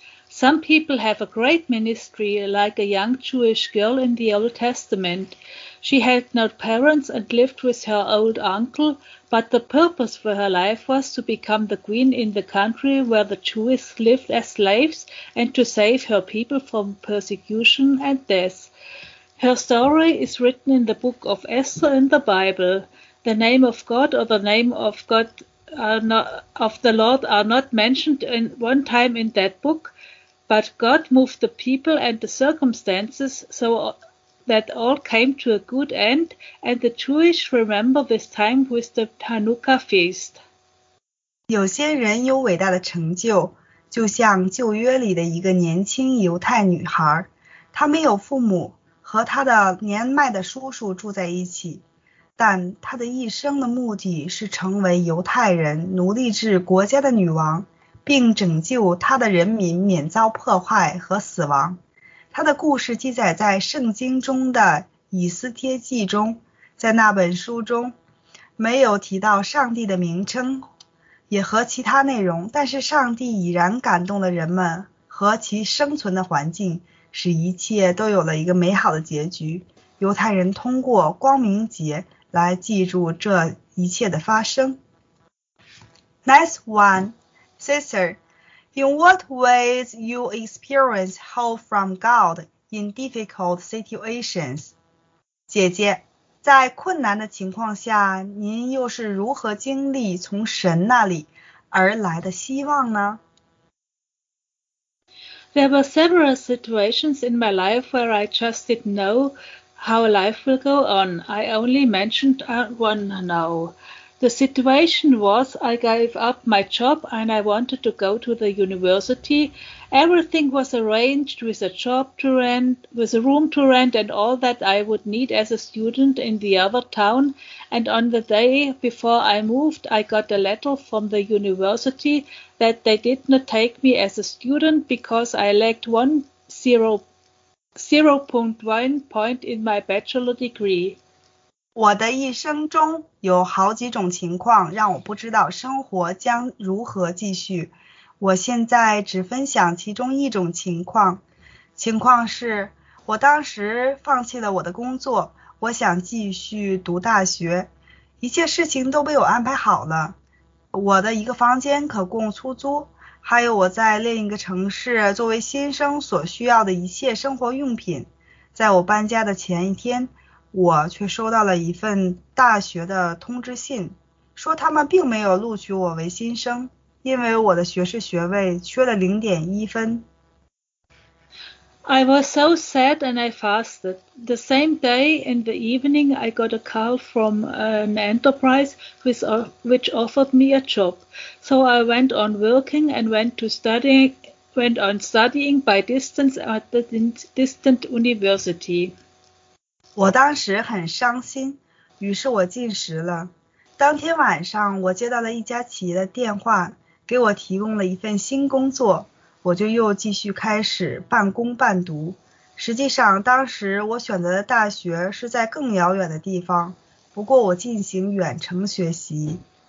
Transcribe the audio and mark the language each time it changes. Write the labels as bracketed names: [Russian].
[English] Some people have a great ministry, like a young Jewish girl in the Old Testament. She had no parents and lived with her old uncle, but the purpose for her life was to become the queen in the country where the Jews lived as slaves and to save her people from persecution and death. Her story is written in the book of Esther in the Bible. The name of God or the name of God are not, of the Lord are not mentioned in one time in that book, but God moved the people and the circumstances so that all came to a good end, and the Jewish remember this time with the Hanukkah feast. [Chinese] 有些人有伟大的成就，就像旧约里的一个年轻犹太女孩，她没有父母，和她的年迈的叔叔住在一起。但他的一生的目的是成为犹太人奴隶制国家的女王，并拯救他的人民免遭破坏和死亡。他的故事记载在圣经中的以斯帖记中，在那本书中没有提到上帝的名称也和其他内容，但是上帝已然感动了人们和其生存的环境，使一切都有了一个美好的结局。犹太人通过光明节来记住这一切的发生。 [English] Next one, sister, in what ways you experience hope from God in difficult situations? [Chinese] 姐姐，在困难的情况下您又是如何经历从神那里而来的希望呢？ [English] There were several situations in my life where I just didn't know how life will go on. I only mentioned one now. The situation was I gave up my job and I wanted to go to the university. Everything was arranged with a job to rent, with a room to rent and all that I would need as a student in the other town. And on the day before I moved, I got a letter from the university that they did not take me as a student because I lacked 0.1 point in my bachelor degree. [Chinese] 我的一生中有好几种情况让我不知道生活将如何继续。我现在只分享其中一种情况。情况是我当时放弃了我的工作，我想继续读大学。一切事情都被我安排好了。我的一个房间可供出租，还有我在另一个城市作为新生所需要的一切生活用品。在我搬家的前一天，我却收到了一份大学的通知信，说他们并没有录取我为新生，因为我的学士学位缺了 0.1 分。 [English] I was so sad and I fasted. The same day in the evening, I got a call from an enterprise which offered me a job. So I went on working and went on studying by distance at the distant university. [Chinese] 我当时很伤心，于是我进食了。当天晚上，我接到了一家企业的电话，给我提供了一份新工作，我就又继续开始半工半读。实际上，当时我选择的大学是在更遥远的地方，不过我进行远程学习。